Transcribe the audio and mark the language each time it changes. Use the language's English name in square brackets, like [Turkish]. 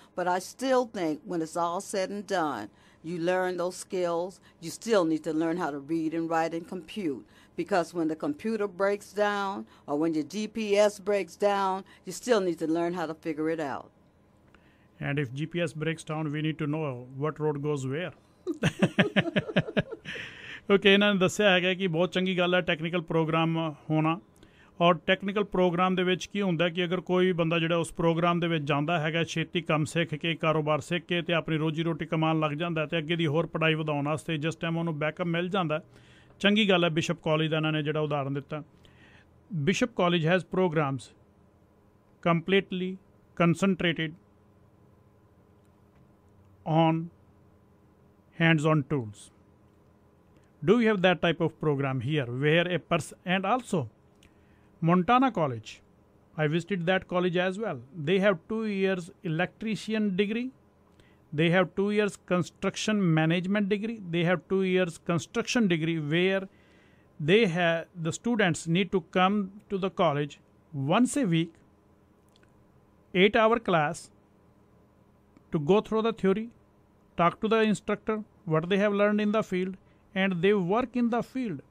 [English] But I still think, when it's all said and done, you learn those skills, you still need to learn how to read and write and compute. Because when the computer breaks down, or when your GPS breaks down, you still need to learn how to figure it out. And if GPS breaks down, we need to know what road goes where. [Punjabi] Okay, ਇਹਨਾਂ ਨੇ ਦੱਸਿਆ ਹੈਗਾ ਕਿ ਬਹੁਤ ਚੰਗੀ ਗੱਲ ਹੈ technical programme ਹੋਣਾ। ਔਰ ਟੈਕਨੀਕਲ ਪ੍ਰੋਗਰਾਮ ਦੇ ਵਿੱਚ ਕੀ ਹੁੰਦਾ ਕਿ ਅਗਰ ਕੋਈ ਵੀ ਬੰਦਾ ਜਿਹੜਾ ਉਸ ਪ੍ਰੋਗਰਾਮ ਦੇ ਵਿੱਚ ਜਾਂਦਾ ਹੈਗਾ, ਛੇਤੀ ਕੰਮ ਸਿੱਖ ਕੇ, ਕਾਰੋਬਾਰ ਸਿੱਖ ਕੇ, ਅਤੇ ਆਪਣੀ ਰੋਜ਼ੀ ਰੋਟੀ ਕਮਾਉਣ ਲੱਗ ਜਾਂਦਾ, ਅਤੇ ਅੱਗੇ ਦੀ ਹੋਰ ਪੜ੍ਹਾਈ ਵਧਾਉਣ ਵਾਸਤੇ ਜਿਸ ਟਾਈਮ ਉਹਨੂੰ ਬੈਕਅਪ ਮਿਲ ਜਾਂਦਾ, ਚੰਗੀ ਗੱਲ ਹੈ। ਬਿਸ਼ਪ ਕਾਲਜ ਦਾ ਇਹਨਾਂ ਨੇ ਜਿਹੜਾ ਉਦਾਹਰਣ ਦਿੱਤਾ, [English] Bishop college has programs completely concentrated on hands on tools. Do you have that type of program here, where a person, and also Montana College, I visited that college as well. They have 2 years electrician degree, they have 2 years construction management degree, they have 2 years construction degree, where they have the students need to come to the college once a week, 8-hour class, to go through the theory, talk to the instructor what they have learned in the field, and they work in the field.